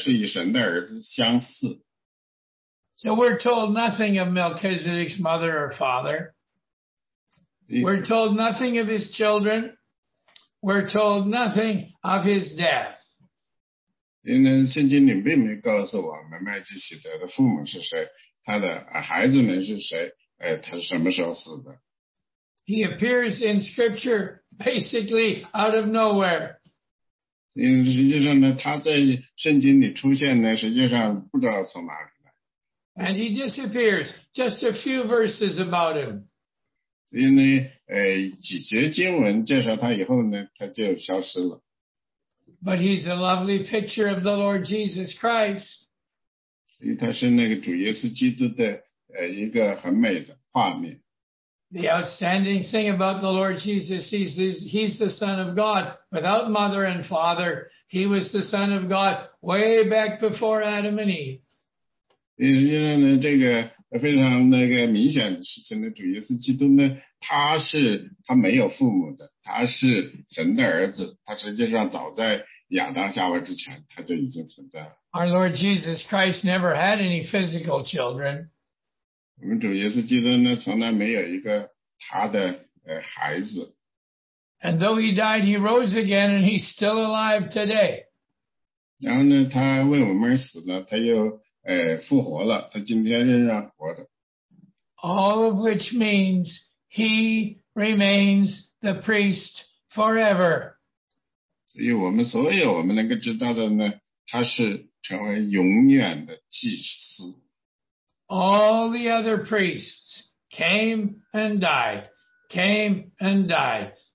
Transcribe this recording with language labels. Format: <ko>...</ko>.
<zh>第三节说他无父无母无祖父无生之始无命之中是与神的儿子相似。</zh> <en>So we're told nothing of Melchizedek's mother or father. We're told nothing of his children. We're told nothing of his death.</en> <zh>因为圣经里并没有告诉我们麦基洗德的父母是谁，他的孩子们是谁，他是什么时候死的。</zh> <en>He appears in scripture basically out of nowhere.</en> <zh>实际上呢，他在圣经里出现呢，实际上不知道从哪里来。</zh> <en>And he disappears, just a few verses about him.</en> <zh>所以呢，几节经文介绍他以后呢，他就消失了。</zh> <en>But he's a lovely picture of the Lord Jesus Christ.</en> <zh>所以他是那个主耶稣基督的一个很美的画面。</zh> <en>The outstanding thing about the Lord Jesus, he's the Son of God. Without mother and father, he was the Son of God way back before Adam and Eve.</en> <zh>实际上呢，这个非常那个明显的事情呢，主耶稣基督呢，他没有父母的，他是神的儿子，他实际上早在亚当夏娃之前，他就已经存在了。</zh> <en>Our Lord Jesus Christ never had any physical children.</en> <zh>我们主耶稣基督呢，从来没有一个他的孩子。</zh> <en>And though he died, he rose again, and he's still alive today.</en> <zh>然后呢，他为我们死了，他又复活了，他今天仍然活着。</zh> <en>All of which means he remains the priest forever.</en> <zh>所以我们所有我们能够知道的呢，他是成为永远的祭司。</zh> <en>All the other priests came and died, came and died.</en>